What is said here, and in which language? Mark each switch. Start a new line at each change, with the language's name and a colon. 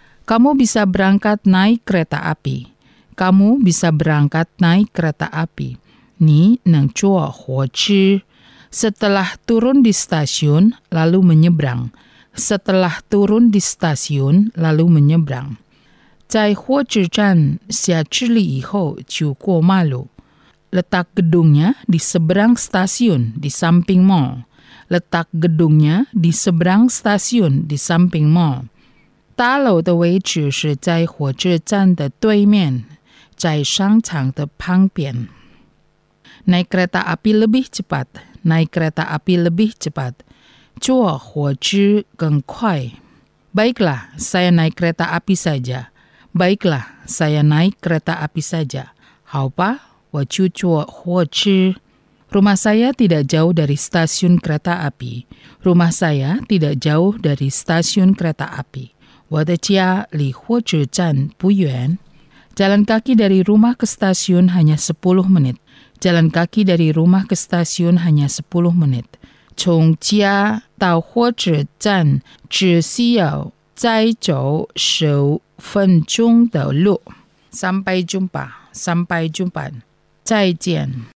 Indonesian: Kamu bisa berangkat naik kereta api.
Chinese: Ni neng chuo huo chi.
Indonesian: Setelah turun di stasiun, lalu menyebrang. setelah turun di stasiun lalu menyeberang.
Chinese: 在火车站下车了以后就过马路。
Indonesian: Letak gedungnya di seberang stasiun di samping mall. Letak gedungnya di seberang stasiun di samping mall.
Chinese: 大楼的位置是在火车站的对面，在商场的旁边。
Indonesian: Naik kereta api lebih cepat. Naik kereta api lebih cepat.
Chinese: 坐火车更快。
Indonesian: Baiklah, saya naik kereta api saja. Baiklah, saya naik kereta api saja.
Chinese: 好吧，我就坐火车。
Indonesian: Rumah saya tidak jauh dari stasiun kereta api. Rumah saya tidak jauh dari stasiun kereta api.
Chinese: 我的家离火车站不远。
Indonesian: Jalan kaki dari rumah ke stasiun hanya 10 menit. Jalan kaki dari rumah ke stasiun hanya 10 menit.
Chinese: 从家到火车站只需要再走10分钟的路。
Indonesian: Sampai jumpa. Sampai jumpa.
Chinese: 再见。